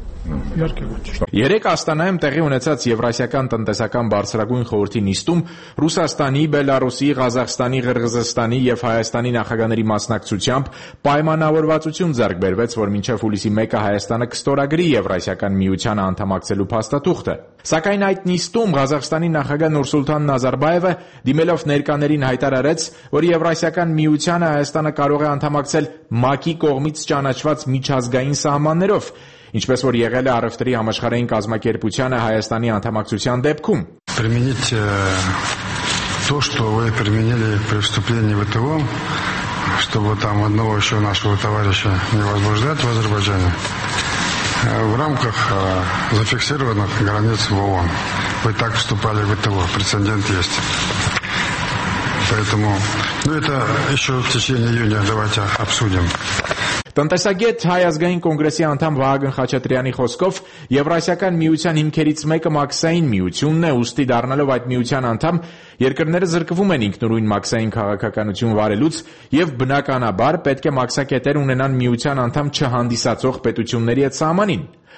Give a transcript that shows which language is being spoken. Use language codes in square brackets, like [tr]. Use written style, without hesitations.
[hy] Երեք Աստանայում տեղի ունեցած Եվրասիական տնտեսական բարձրագույն խորհրդի նիստում Ռուսաստանի, Բելարուսի, Ղազախստանի, Ղրղզստանի և Հայաստանի նախագաների մասնակցությամբ պայմանավորվածություն ձեռք բերվեց, որ մինչև հուլիսի 1-ը Հայաստանը կստորագրի Եվրասիական միության անդամակցելու փաստաթուղթը։ Սակայն այդ նիստում Ղազախստանի նախագահ Նուրսուլտան Նազարբայևը դիմելով ներկաներին հայտարարեց, որ Եվրասիական միությանը Հայաստանը կարող է անդամակցել ՄԱԿ-ի կողմից ճանաչված միջազգային սահմաններով, ինչպես որ եղել է առևտրի համաշխարհային կազմակերպությանը Հայաստանի անդամակցության դեպքում։ [ru] Применить то, что вы применили при вступлении в ВТО, чтобы там одного ещё нашего товарища не возбуждать в Азербайджане. В рамках зафиксированных границ ООН вы так вступали в ВТО, прецедент есть. Поэтому, ну это ещё в течение июня давайте обсудим. [hy] Տնտեսագետ Հայազգային կոնգրեսի անդամ Վահագն Խաչատրյանի խոսքով Եվրասիական միության հիմքերից մեկը ՄԱԿ-ային միությունն է, ուստի դառնալով այդ միության անդամ երկրները զրկվում են ինքնուրույն ՄԱԿ-ային քաղաքականություն վարելուց և բնականաբար պետք է ՄԱԿ-ակետեր ունենան միության անդամ չհանդիսացող պետությունների հետ սահմանին։